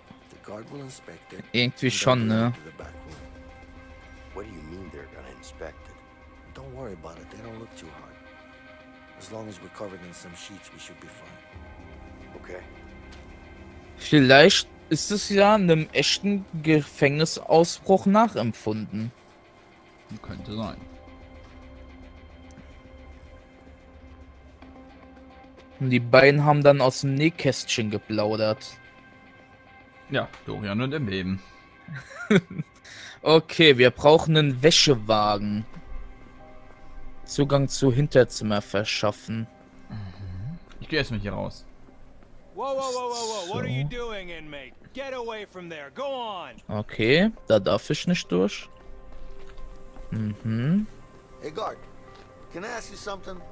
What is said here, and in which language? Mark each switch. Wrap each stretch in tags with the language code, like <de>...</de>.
<en>The guard will inspect it.</en> <de>Irgendwie schon, ne?</de> <en>What do you mean they're gonna inspect it? Don't worry about it, they don't look too hard. As long as we're covered in some sheets, we should be fine. Okay.</en> <de>Vielleicht ist es ja einem echten Gefängnisausbruch nachempfunden. Könnte sein. Und die beiden haben dann aus dem Nähkästchen geplaudert. Ja, Dorian und im Leben. Okay, wir brauchen einen Wäschewagen. Zugang zu Hinterzimmer verschaffen. Ich gehe erstmal hier raus.</de> <en>Whoa, what are you doing, inmate? Get away from there, go on!</en> <de>Okay, da darf ich nicht durch.</de> <en>Hey, guard, can I ask you something?</en>